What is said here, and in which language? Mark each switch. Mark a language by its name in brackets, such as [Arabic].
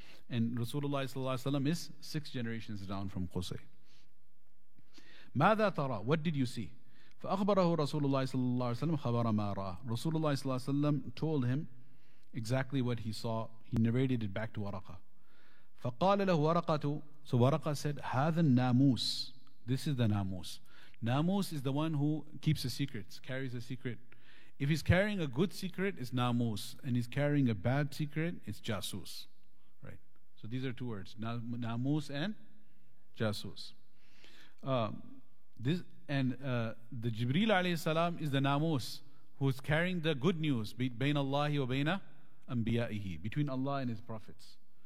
[English] And Rasulullah sallallahu alaihi wasallam is six generations down from Qusay. [Arabic] ماذا ترى? [English] What did you see? [Arabic] فأخبره رسول الله صلى الله عليه وسلم خبر ما رأى. [English] Rasulullah sallallahu alaihi wasallam told him exactly what he saw. He narrated it back to Waraqah. [Arabic] فقال له ورقة. [English] So Waraqah said, [Arabic] هذا الناموس. [English] This is the ناموس. ناموس is the one who keeps the secrets, carries a secret. If he's carrying a good secret, it's ناموس, and he's carrying a bad secret, it's جاسوس. So these are two words, namus and jasus. The Jibreel alayhi salam is the namus who is carrying the good news between Allah wa bayna anbiya'ihi, between Allah and his prophets.